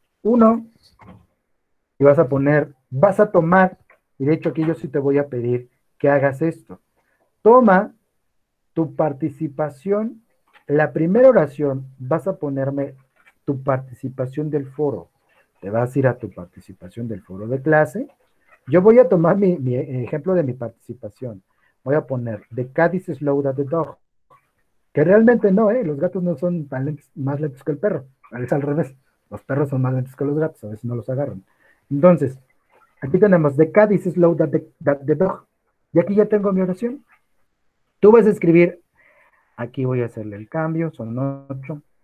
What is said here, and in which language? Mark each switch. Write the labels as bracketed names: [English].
[Spanish] Uno, y vas a poner, vas a tomar, y de hecho aquí yo sí te voy a pedir que hagas esto. Toma tu participación, la primera oración vas a ponerme tu participación del foro. Te vas a ir a tu participación del foro de clase. Yo voy a tomar mi ejemplo de mi participación. Voy a poner, [English] the cat is slower than the dog. [Spanish] Que realmente no, los gatos no son más lentos que el perro. Es al revés. Los perros son más lentos que los gatos, a veces no los agarran. Entonces, aquí tenemos [English] the cat is slow that the dog. [Spanish] Y aquí ya tengo mi oración. Tú vas a escribir, aquí voy a hacerle el cambio, son 8.